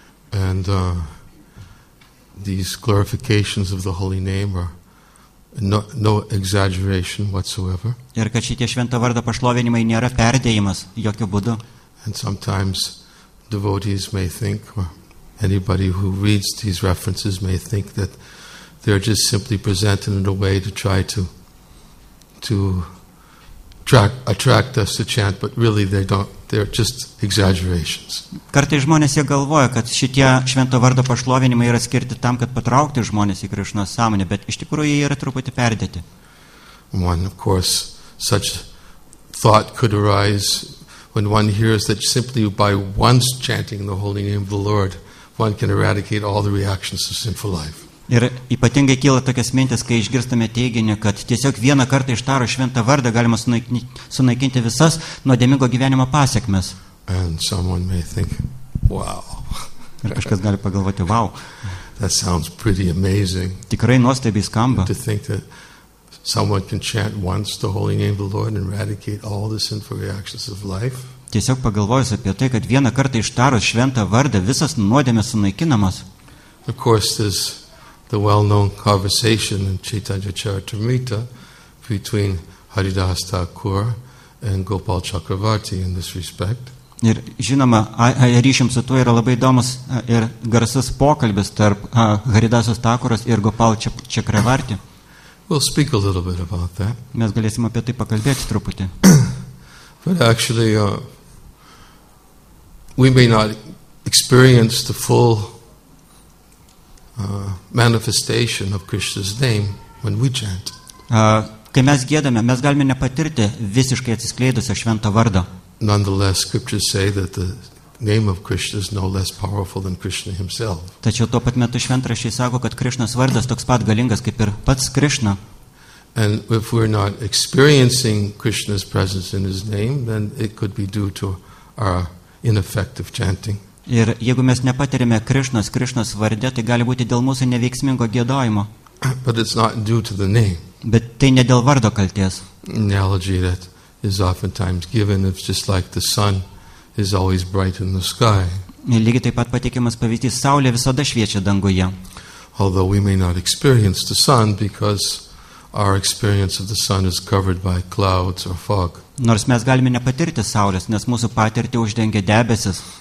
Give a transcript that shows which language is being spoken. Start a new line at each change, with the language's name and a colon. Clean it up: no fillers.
English: And these glorifications of the holy name are no exaggeration whatsoever.
Lithuanian: Ir kad šitie švento vardo pašlovinimai nėra perdėjimas jokio būdu.
English: And sometimes devotees may think, or anybody who reads these references may think that they're just simply presented in a way to try to attract us to chant, but really they don't. They're just exaggerations.
Lithuanian: Kartais žmonės jie galvoja, kad šitie švento vardo pašlovinimai yra skirti tam, kad patraukti žmonės į Krišnos sąmonę, bet iš tikrųjų jie yra truputį perdėti.
English: One, of course, such thought could arise when one hears that simply by once chanting the holy name of the Lord, one can eradicate all the reactions of sinful life.
Lithuanian: Ir ypatingai kyla tokias mintis, kai išgirstame teiginį, kad tiesiog vieną kartą ištaro šventą vardą galima sunaikinti visas nuodėmingo gyvenimo pasekmes.
English: And someone may think, wow.
Lithuanian: Ir kažkas gali pagalvoti, wow.
English: That sounds pretty amazing.
Lithuanian: Tikrai nuostabiai skamba.
English: To think that someone can chant once the holy name of the Lord and eradicate all the sinful reactions of life.
Lithuanian: Tiesiog pagalvojus apie tai, kad vieną kartą ištaro šventą vardą visas nuodėmes sunaikinamas.
English: Of course, this the well-known conversation in Chaitanya Charitamrita between Haridas Thakur and Gopal Chakravarti in this respect.
Lithuanian: Ir žinoma, ryšiams su tuo yra labai įdomus ir garsus pokalbis tarp Haridasos Thakuros ir Gopal Chakravarti.
English: We'll speak a little bit about that.
Lithuanian: Mes galėsim apie tai pakalbėti truputį.
English: But actually, we may not experience the full manifestation of Krishna's name when we chant.
Lithuanian: Kai mes gėdame, mes galime nepatirti visiškai atsiskleidusio švento vardo.
English: Nonetheless, scriptures say that the name of Krishna is no less powerful than Krishna himself.
Lithuanian: Tačiau tuo pat metu šventrašiai sako, kad Krishnas vardas toks pat galingas kaip ir pats Krishna.
English: And if we're not experiencing Krishna's presence in his name, then it could be due to our ineffective chanting.
Lithuanian: Ir jeigu mes nepatiriame Krishnas varde, tai gali būti dėl mūsų neveiksmingo giedojimo.
English: But it's not due to the name.
Lithuanian: Bet tai ne dėl vardo kalties.
English: Analogy that is oftentimes given, it's just like the sun is always bright in the sky.
Lithuanian: Lygiai taip pat patikimas pavyzdys, saulė visada šviečia danguje.
English: Although we may not experience the sun because our experience of the sun is covered by clouds or fog.
Lithuanian: Nors mes galime nepatirti saulės, nes mūsų patirtį uždengia debesis.